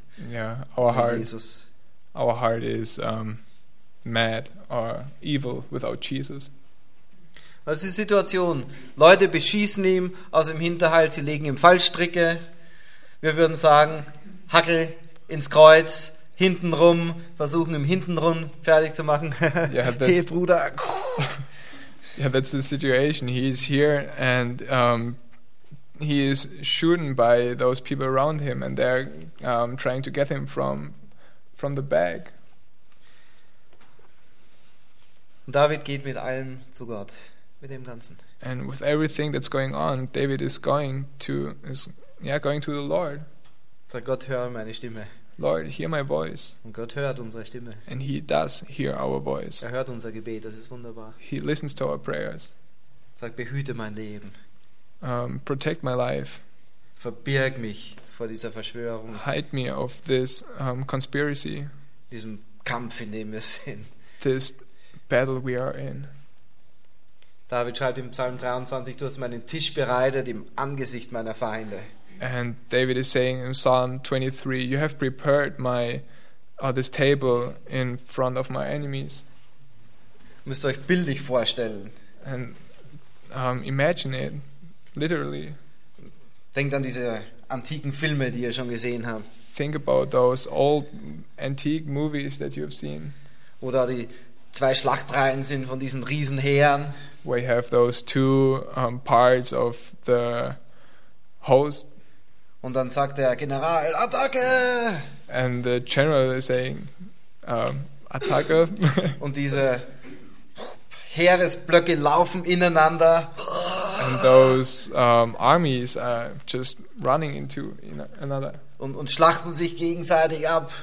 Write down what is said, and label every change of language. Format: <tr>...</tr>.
<en>Yeah, our heart. Jesus. Our heart is mad or evil without Jesus.</en> <de>Was ist die Situation? Leute beschießen ihn aus dem Hinterhalt, sie legen ihm Fallstricke. Wir würden sagen, Hackel ins Kreuz, hintenrum, versuchen ihn hintenrum fertig zu machen.</de> <en>Yeah,</en> <de>hey Bruder.</de> <en>Yeah, that's the situation. He's here and he is shooting by those people around him and they're trying to get him from the bag.</en> <de>David geht mit allem zu Gott, mit dem Ganzen.</de> <en>And with everything that's going on, David is going to the Lord.</en> <de>Sag Gott, hör meine Stimme.</de> <en>Lord, hear my voice.</en> <de>Und Gott hört unsere Stimme.</de> <en>And he does hear our voice.</en> <de>Er hört unser Gebet, das ist wunderbar.</de> <en>He listens to our prayers.</en> <de>Sag, behüte mein Leben.</de> <en>Protect my life.</en> <de>Verbirg mich vor dieser Verschwörung.</de> <en>Hide me of this conspiracy.</en> <de>Diesem Kampf, in dem wir sind.</de> <en>This battle we are in.</en> <de>David schreibt im Psalm 23, du hast meinen Tisch bereitet im Angesicht meiner Feinde.</de> <en>And David is saying in Psalm 23, you have prepared my this table in front of my enemies.</en> <de>Müsst ihr euch bildlich vorstellen.</de> <en>And imagine it, literally.</en> <de>Denkt an diese antiken Filme, die ihr schon gesehen habt.</de> <en>Think about those old antique movies that you have seen.</en> <de>Oder die zwei Schlachtreihen sind von diesen Riesenheeren.</de> <en>We have those two parts of the host.</en> <de>Und dann sagt der General, Attacke!</de> <en>And the general is saying, Attacke.</en> <de>Und diese Heeresblöcke laufen ineinander.</de> <en>And those armies are just running into another.</en> <de>Und schlachten sich gegenseitig ab.</de>